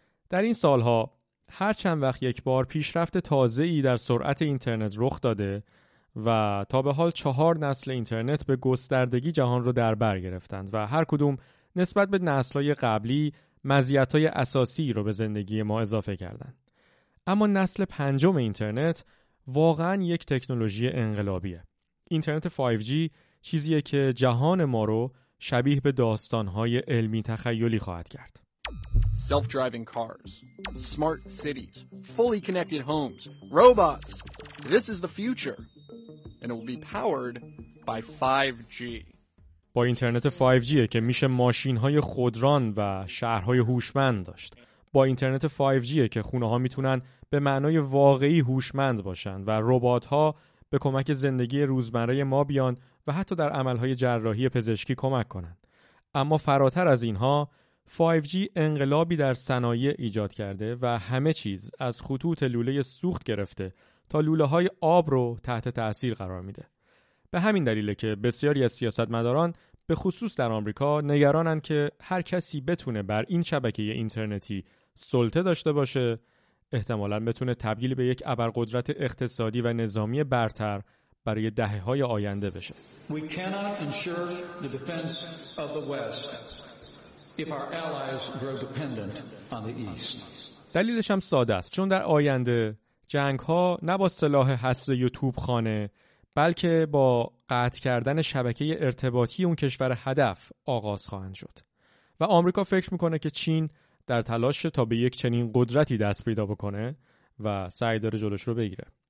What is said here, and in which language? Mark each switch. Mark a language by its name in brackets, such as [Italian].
[Persian] در این سالها هر چند وقت یک بار پیشرفت تازه‌ای در سرعت اینترنت رخ داده و تا به حال 4 نسل اینترنت به گستردگی جهان رو در بر گرفتند و هر کدوم نسبت به نسل‌های قبلی مزیت‌های اساسی رو به زندگی ما اضافه کردند. اما نسل پنجم اینترنت واقعاً یک تکنولوژی انقلابیه. اینترنت 5G چیزیه که جهان ما رو شبیه به داستان‌های علمی تخیلی خواهد کرد. [English] Self-driving cars, smart cities, fully connected homes, robots. This is the future. And it will be powered by 5G. [Persian] با اینترنت 5G که میشه ماشین‌های خودران و شهرهای هوشمند داشت. با اینترنت 5G که خونه‌ها میتونن به معنای واقعی هوشمند باشن و ربات‌ها به کمک زندگی روزمره ما بیان و حتی در عمل‌های جراحی پزشکی کمک کنن. اما فراتر از اینها 5G انقلابی در صنایع ایجاد کرده و همه چیز از خطوط لوله سوخت گرفته تا لوله‌های آب رو تحت تأثیر قرار میده. به همین دلیل که بسیاری از سیاستمداران به خصوص در آمریکا نگرانن که هر کسی بتونه بر این شبکه اینترنتی سلطه داشته باشه، احتمالاً بتونه تبدیل به یک ابرقدرت اقتصادی و نظامی برتر برای دهه‌های آینده بشه. [English] We cannot ensure the defense of the West if our allies grow dependent on the East. [Persian] دلیلش هم ساده است، چون در آینده جنگ ها نه با سلاح هسته‌ای و توپخانه بلکه با قطع کردن شبکه ارتباطی اون کشور هدف آغاز خواهند شد و آمریکا فکر میکنه که چین در تلاش تا به یک چنین قدرتی دست پیدا بکنه و سعی داره جلوش رو بگیره.